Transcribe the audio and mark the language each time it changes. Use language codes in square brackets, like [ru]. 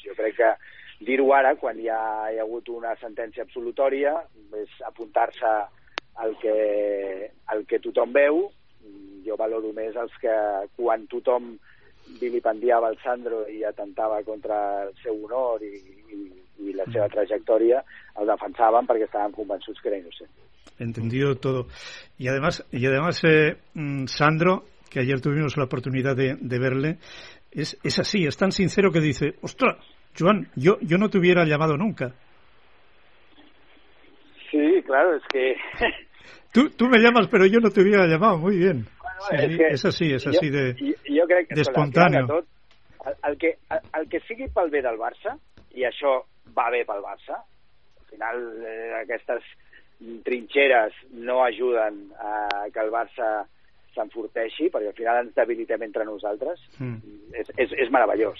[ca] Jo crec que dir-ho ara, quan ja hi ha hagut una sentència absolutòria, és apuntar-se al que tothom veu. Jo valoro més els que, quan tothom vilipendiava el Sandro i atentava contra el seu honor i la seva trajectòria, el defensaven perquè estaven convençuts que era innocent. [es] Entendido todo. Y además, Sandro, que ayer tuvimos la oportunidad de verle, es así, es tan sincero que dice: ostras, Joan, yo no te hubiera llamado nunca. Sí, claro, es que... Tú me llamas, pero yo no te hubiera llamado, muy bien. Bueno, sí, es así de espontáneo. Yo creo que, al que [ca] sigui pel bé del Barça, i això va bé pel Barça, al final aquestes trinxeres no ajuden a que el Barça s'enforteixi, perquè al final ens debilitem entre nosaltres. És meravellós.